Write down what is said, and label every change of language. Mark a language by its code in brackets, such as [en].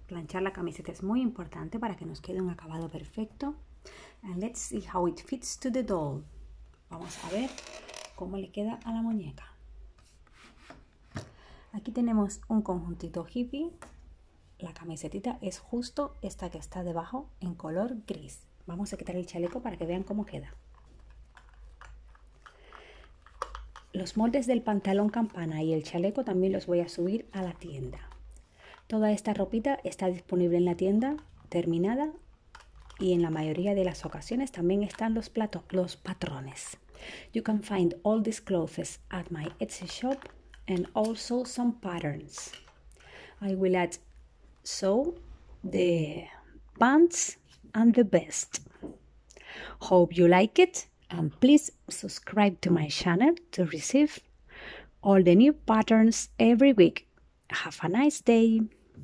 [es] Planchar la camiseta es muy importante para que nos quede un acabado perfecto. [en] And let's see how it fits to the doll. [es] Vamos a ver cómo le queda a la muñeca. Aquí tenemos un conjuntito hippie. La camisetita es justo esta que está debajo en color gris. Vamos a quitar el chaleco para que vean cómo queda. Los moldes del pantalón campana y el chaleco también los voy a subir a la tienda. Toda esta ropita está disponible en la tienda, terminada, y en la mayoría de las ocasiones también están los patrones. [en] You can find all these clothes at my Etsy shop and also some patterns. I will add so the pants and the vest. Hope you like it. And please subscribe to my channel to receive all the new patterns every week. Have a nice day.